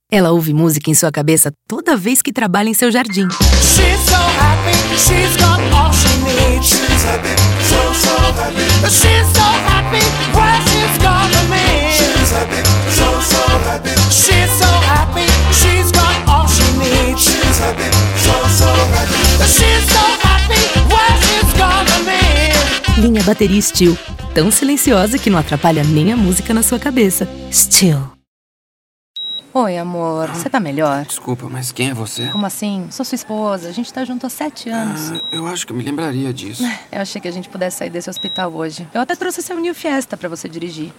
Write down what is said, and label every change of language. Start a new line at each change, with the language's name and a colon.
Portuguese: Ela ouve música em sua cabeça toda vez que trabalha em seu jardim.
English: She's so happy, she's got all she needs. She's happy, so, so happy. She's so happy, where she's gonna be. She's happy, so, so happy. She's so happy, she's got all she needs. She's happy, so, so happy. She's so happy, where she's gonna be.
Portuguese: Linha Bateria Steel. Tão silenciosa que não atrapalha nem a música na sua cabeça. Steel. Oi, amor. Você tá melhor? Desculpa, mas quem é você? Como assim? Sou sua esposa. A gente tá junto há 7 anos. Eu acho que eu me lembraria disso. Eu achei que a gente pudesse sair desse hospital hoje. Eu até trouxe seu New Fiesta pra você dirigir.